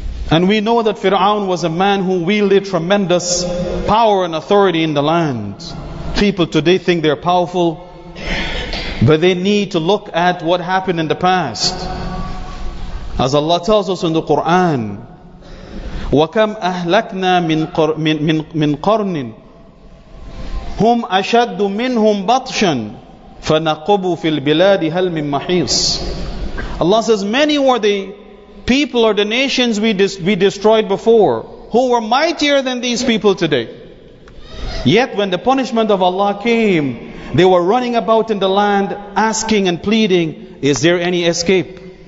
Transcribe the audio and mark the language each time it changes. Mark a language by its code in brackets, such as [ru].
[en] And we know that Fir'aun was a man who wielded tremendous power and authority in the land. People today think they're powerful, but they need to look at what happened in the past. As Allah tells us in the Quran, [ar] وَكَمْ أَهْلَكْنَا مِنْ قَرْنٍ هُمْ أَشَدُّ مِنْهُمْ بَطْشًا فَنَقُبُوا فِي الْبِلَادِ هَلْ مِنْ مَحِيصٍ. [en] Allah says, many were the people or the nations we destroyed before, who were mightier than these people today. Yet when the punishment of Allah came, they were running about in the land, asking and pleading, is there any escape?